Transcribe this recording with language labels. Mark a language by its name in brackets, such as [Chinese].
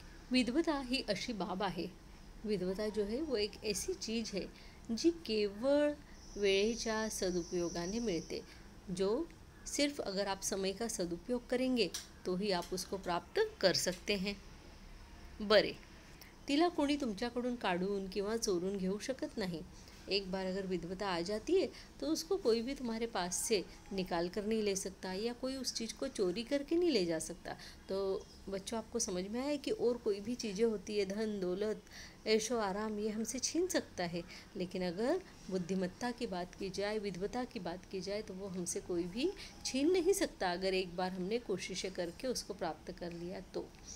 [Marathi] विद्वता ही अशी बाब आहे, [Hindi] विद्वता जो है वो एक ऐसी चीज है [Marathi] जी केवल वेळेच्या सदुपयोगाने मिळते, [Hindi] जो सिर्फ अगर आप समय का सदुपयोग करेंगे तो ही आप उसको प्राप्त कर सकते हैं। [Marathi] बरे, तिला कोणी तुमच्याकडून काढून किंवा चोरून घेऊ शकत नाही, [Hindi] एक बार अगर विधवता आ जाती है तो उसको कोई भी तुम्हारे पास से निकाल कर नहीं ले सकता या कोई उस चीज़ को चोरी करके नहीं ले जा सकता। तो बच्चों आपको समझ में आया कि और कोई भी चीज़ें होती है, धन दौलत ऐशो आराम, ये हमसे छीन सकता है, लेकिन अगर बुद्धिमत्ता की बात की जाए, विधवता की बात की जाए, तो वो हमसे कोई भी छीन नहीं सकता अगर एक बार हमने कोशिशें करके उसको प्राप्त कर लिया तो।